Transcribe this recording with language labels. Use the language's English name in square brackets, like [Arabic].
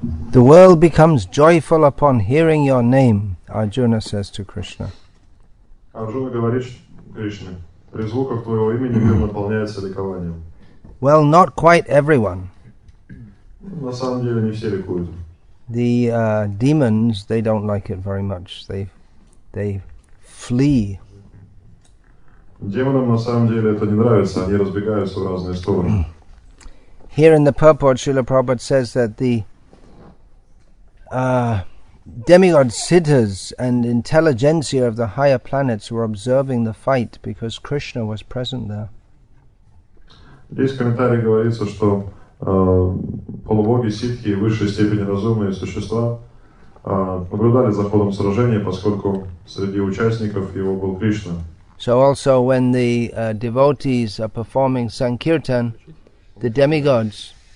[English] The world becomes joyful upon hearing your name, Arjuna says to Krishna. [Russian] Arjuna говорит Кришне: при звуках твоего имени мир наполняется ликованием. [English] Well, not quite everyone. [Russian] На самом деле не все ликуют. [English] The demons, they don't like it very much. They flee. [Russian] Демонам на самом деле это не нравится. Они разбегаются в разные стороны. [English] Here in the purport, Srila Prabhupada says that the demigod siddhas and intelligentsia of the higher planets were observing the fight because Krishna was present there. [Russian] Здесь в комментариях говорится, что полубоги, ситхи и в высшей степени разумные существа наблюдали за ходом сражения, поскольку среди участников его был Кришна. [English] So also when the devotees are performing Sankirtan, the demigods...